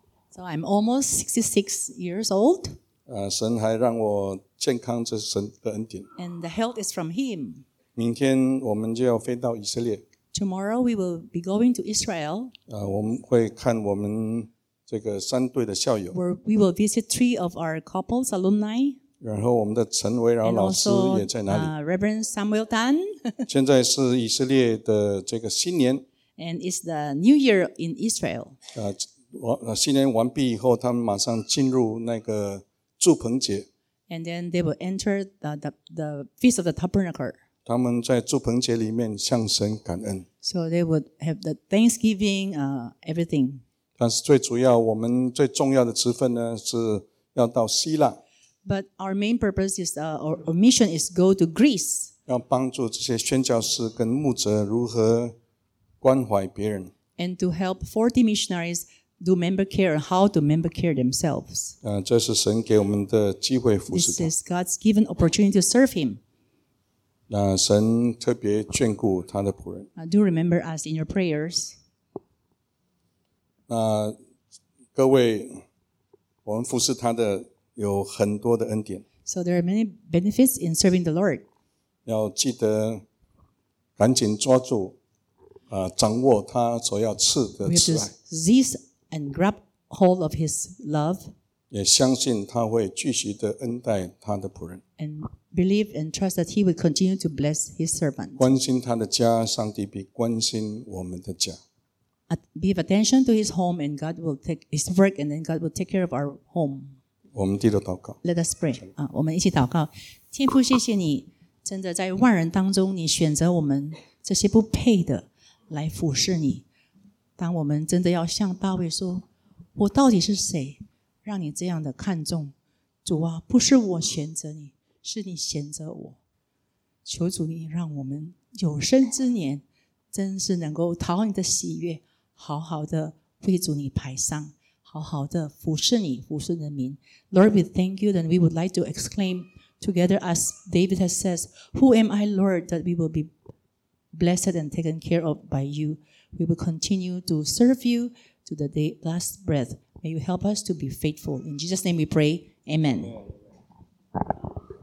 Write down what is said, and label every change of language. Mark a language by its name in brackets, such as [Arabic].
[English] So I'm almost 66 years old. [Chinese] 神还让我健康，这是神的恩典。 [English] And the health is from Him. [Chinese] 明天我们就要飞到以色列。 [English] Tomorrow we will be going to Israel. [Chinese] 我们会看我们这个三队的校友。 [English] Where we will visit three of our couples alumni. [Chinese] 然后我们的陈维饶老师也在哪里 [English] ？Reverend Samuel Tan. [Chinese] 现在是以色列的这个新年。 [English] And it's the New Year in Israel. [Chinese] 新年完毕以后，他们马上进入那个祝棚节。 [English] And then they will enter the Feast of the Tabernacle. [Chinese] 他们在祝棚节里面向神感恩。 [English] So they would have the Thanksgiving, everything. [Chinese] 但是最主要，我们最重要的职分呢，是要到希腊。 [English] But our main purpose is, our mission is go to Greece. [Chinese] 要帮助这些宣教士跟牧者如何关怀别人。 [English] And to help 40 missionaries do member care, how to member care themselves. [Chinese] 这是神给我们的机会服侍。 [English] This is God's given opportunity to serve Him. [Chinese] 那神特别眷顾他的仆人。 [English] Do remember us in your prayers. [Chinese] 那各位，我们服侍他的有很多的恩典。 [English] So there are many benefits in serving the Lord. [Chinese] 要记得赶紧抓住，掌握他所要赐的慈爱。 [English] We have to seize and grab hold of His love. [Chinese] 也相信他会继续的恩待他的仆人。 [English] And believe and trust that He will continue to bless His servant. [Chinese] 关心他的家，上帝比关心我们的家。 [English] Give attention to His home, and God will take His work, and then God will take care of our home. [Chinese] 我们低头祷告。 [English] Let us pray. [Chinese] 我们一起祷告。天父，谢谢你，真的在万人当中，你选择我们这些不配的来服侍你。当我们真的要向大卫说，我到底是谁让你这样的看重主啊，不是我选择你，是你选择我。求主你让我们有生之年真是能够讨你的喜悦，好好的为主你排上，好好的服侍你，服侍人民。 [English] Lord, we thank you, and we would like to exclaim together as David has said, Who am I, Lord, that we will be blessed and taken care of by you? We will continue to serve you to the day, last breath. May you help us to be faithful. In Jesus' name we pray. Amen.